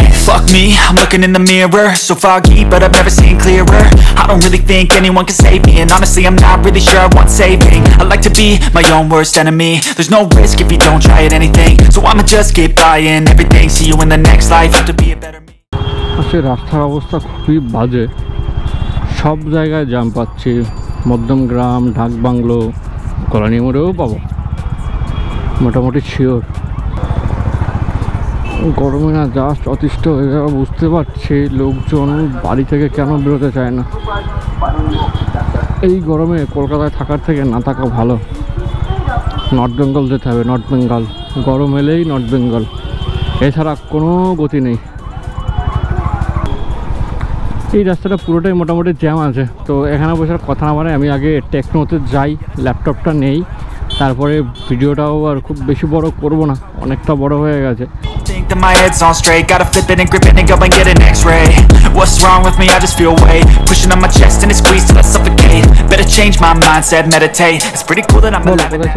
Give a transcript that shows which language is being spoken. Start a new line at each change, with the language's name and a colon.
English: Fuck me, I'm looking in the mirror. So foggy, but I've never seen clearer. I don't really think anyone can save me. And honestly, I'm not really sure I want saving. I like to be my own worst enemy. There's no risk if you don't try at anything. So I'ma just keep buying everything. See you in the next life, have to be a better me.
Bangla: আসলে রাস্তার অবস্থা খুবই বাজে। সব জায়গায় jam পাচ্ছি। মধ্যম গ্রাম, ঢাক বাংলো, কলানি মোড়েও পাবো মোটামুটি শিওর। গরমে না জাস্ট অতিষ্ঠ হয়ে গেল, বুঝতে পারছি লোকজন বাড়ি থেকে কেন বেরোতে চায় না। এই গরমে কলকাতায় থাকার থেকে না থাকা ভালো। নর্থ বেঙ্গল যেতে হবে, নর্থ বেঙ্গল গরম এলেই নর্থ বেঙ্গল, এছাড়া কোনো গতি নেই। এই রাস্তাটা পুরোটাই মোটামুটি জ্যাম আছে। তো এখানে বসে কথা না বলে আমি আগে টেকনোতে যাই, ল্যাপটপটা নেই, তারপরে ভিডিওটাও আর খুব বেশি বড় করব না, অনেকটা বড় হয়ে গেছে।
English: That my head's all straight, gotta flip it and grip it and go and get an x-ray. What's wrong with me? I just feel weight pushing on my chest and it squeezes till I suffocate. Better change my mindset, meditate. It's pretty cool that I'm alive.